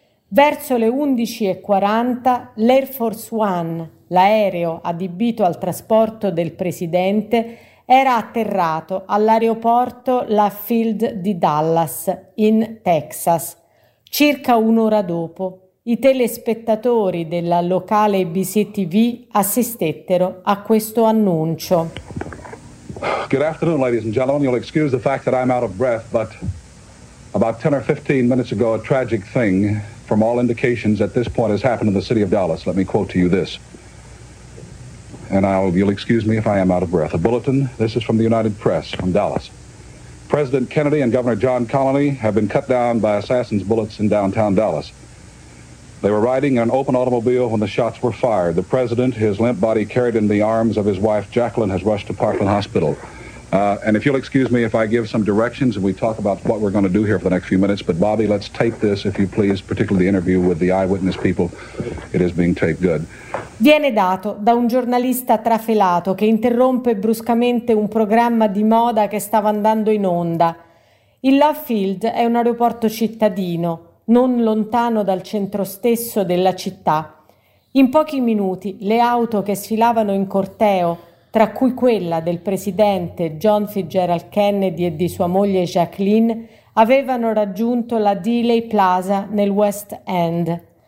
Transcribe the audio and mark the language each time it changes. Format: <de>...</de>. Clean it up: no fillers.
<it>Verso le 11:40 l'Air Force One, l'aereo adibito al trasporto del presidente, era atterrato all'aeroporto Lafield di Dallas, in Texas. Circa un'ora dopo, i telespettatori della locale ABC TV assistettero a questo annuncio.</it> <en>Good afternoon, ladies and gentlemen. You'll excuse the fact that I'm out of breath, but about 10 or 15 minutes ago, a tragic thing, from all indications at this point, has happened in the city of Dallas. Let me quote to you this. And you'll excuse me if I am out of breath. A bulletin, this is from the United Press from Dallas. President Kennedy and Governor John Connally have been cut down by assassin's bullets in downtown Dallas. They were riding in an open automobile when the shots were fired. The president, his limp body carried in the arms of his wife Jacqueline, has rushed to Parkland Hospital. And if you'll excuse me if I give some directions and we talk about what we're going to do here for the next few minutes, but Bobby, let's tape this, if you please, particularly the interview with the eyewitness people. It is being taped good.</en> <it>Viene dato da un giornalista trafelato che interrompe bruscamente un programma di moda che stava andando in onda. Il Lafield è un aeroporto cittadino, non lontano dal centro stesso della città. In pochi minuti le auto che sfilavano in corteo, tra cui quella del presidente John Fitzgerald Kennedy e di sua moglie Jacqueline, avevano raggiunto la Dealey Plaza nel West End.</it>